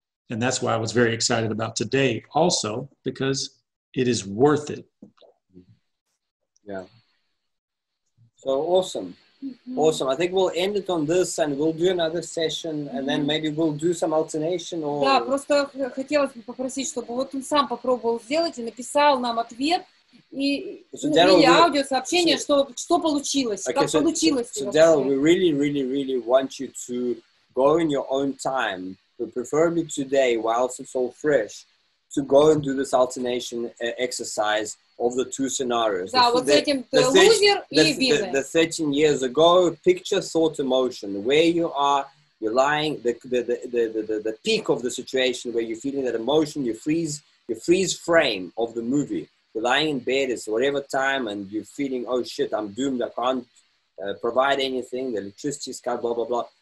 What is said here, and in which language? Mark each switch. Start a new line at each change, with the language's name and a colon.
English: And that's why I was very excited about today also, because it is worth it. Yeah. So awesome. Mm-hmm. Awesome. I think we'll end it on this and we'll do another session and then maybe we'll do some alternation or...
Russian: Да, просто хотелось бы попросить, чтобы вот он сам попробовал сделать и написал нам ответ или аудиосообщение, что получилось, как получилось.
English: So Daryl, we really, really, really want you to go in your own time, but preferably today, whilst it's all fresh, to go and do this alternation exercise of the two scenarios.
Russian: Да, вот с этим лузер и бизнес.
English: The 13 years ago, picture, thought, emotion, where you are, you're lying, the peak of the situation where you're feeling that emotion, you freeze frame of the movie. You're lying in bed, it's whatever time, and you're feeling, oh shit, I'm doomed, I can't provide anything, the electricity is cut, blah, blah, blah.